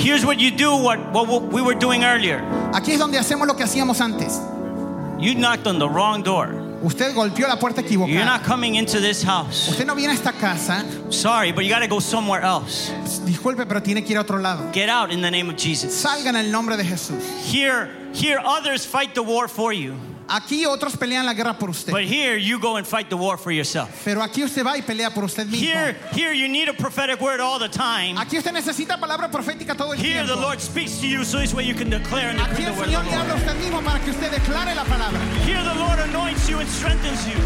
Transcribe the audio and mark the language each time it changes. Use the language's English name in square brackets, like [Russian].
[English] Here's what you do, what we were doing earlier. [Spanish] Aquí es donde hacemos lo que hacíamos antes. [English] You knocked on the wrong door. [Spanish] Usted golpeó la puerta equivocada. [English] You're not coming into this house. [Spanish] Usted no viene a esta casa. [English] Sorry, but you got to go somewhere else. [Spanish] Disculpe, pero tiene que ir a otro lado. [English] Get out in the name of Jesus. [Spanish] Salga en el nombre de Jesús. [English] Here others fight the war for you. [Spanish] Aquí otros pelean la guerra por usted. [English] But here you go and fight the war for yourself. [Spanish] Pero aquí usted va y pelea por usted mismo. [English] Here you need a prophetic word all the time. [Spanish] Aquí usted necesita palabra profética todo el tiempo. [English] Here the Lord speaks to you so this way you can declare and decree the word. [Spanish] Aquí el Señor le habla usted mismo para que usted declare la palabra. [English] Here the Lord anoints you and strengthens you.